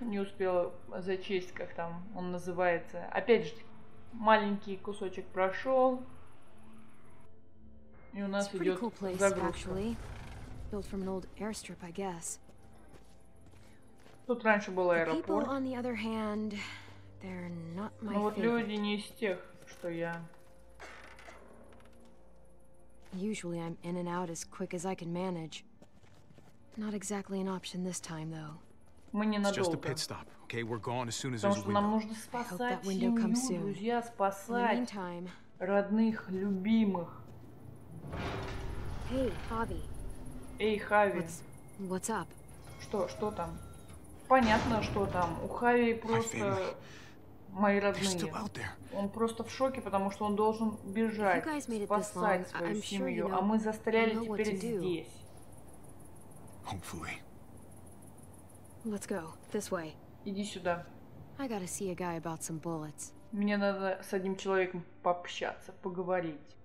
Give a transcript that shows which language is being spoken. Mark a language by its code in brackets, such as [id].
[ru] Не успела зачесть, как там он называется. Опять же, маленький кусочек прошел. И у нас идет cool загрузка. [en] Built from an old airstrip, I guess. [ru] Тут раньше был аэропорт. [en] People, on the other hand, they're not my [ru] favorite. Но люди не из тех, что я. [en] Usually I'm in and out as quick as I can manage. Not exactly an option this time, though. [ru] Мы не надолго. [en] Just a pit stop, okay? We're gone as soon as there's a window. [ru] Нам нужно спасать семью, друзья, спасать родных, любимых. [en] Hey, Javi. [ru] Эй, Хави. [en] What's up? [ru] Что там? Понятно, что там. У Хави просто мои родные. Он просто в шоке, потому что он должен бежать, спасать свою семью, а мы застряли теперь здесь. [en] Hopefully. Let's go this way. [ru] Иди сюда. [en] I gotta see a guy about some bullets. [ru] Мне надо с одним человеком пообщаться, поговорить.